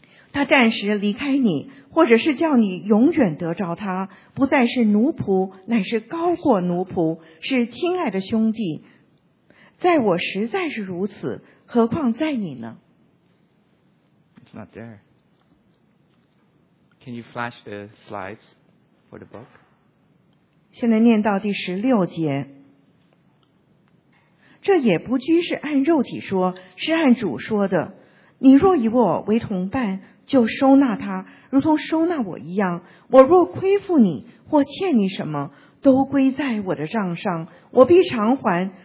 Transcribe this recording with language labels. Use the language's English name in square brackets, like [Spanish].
[Chinese] 他暂时离开你，或者是叫你永远得着他，不再是奴仆，乃是高过奴仆，是亲爱的兄弟。在我实在是如此，何况在你呢？ [English] It's not there. Can you flash the slides for the book? [Chinese] 现在念到第十六节。这也不拘是按肉体说，是按主说的。你若以我为同伴，就收纳他，如同收纳我一样。我若亏负你或欠你什么，都归在我的账上，我必偿还。